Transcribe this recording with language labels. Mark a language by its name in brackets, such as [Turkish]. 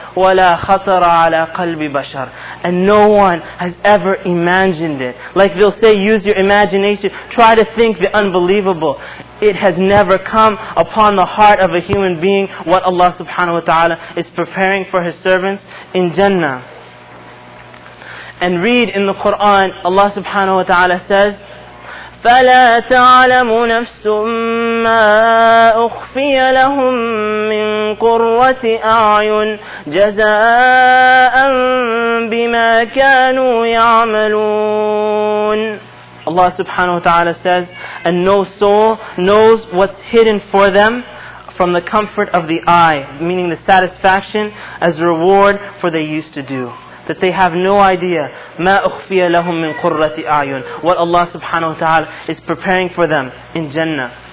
[Arabic] وَلَا خَطَرَ عَلَى قَلْبِ بَشَرٍ, [English] and no one has ever imagined it. Like they'll say, use your imagination, try to think the unbelievable. It has never come upon the heart of a human being what Allah subhanahu wa ta'ala is preparing for His servants in Jannah. And read in the Quran, Allah subhanahu wa ta'ala says, [Arabic] فَلَا تَعْلَمُ نَفْسٌ مَا أُخْفِيَ لَهُمْ مِنْ قُرَّةِ أَعْيُنٍ جَزَاءً بِمَا كَانُوا يَعْمَلُونَ. [English] Allah subhanahu wa ta'ala says, and no soul knows what's hidden for them from the comfort of the eye, meaning the satisfaction as a reward for they used to do. That they have no idea, [Arabic] مَا أُخْفِيَ لَهُمْ مِنْ قُرَّةِ أَعْيُنٍ, [English] what Allah subhanahu wa ta'ala is preparing for them in Jannah.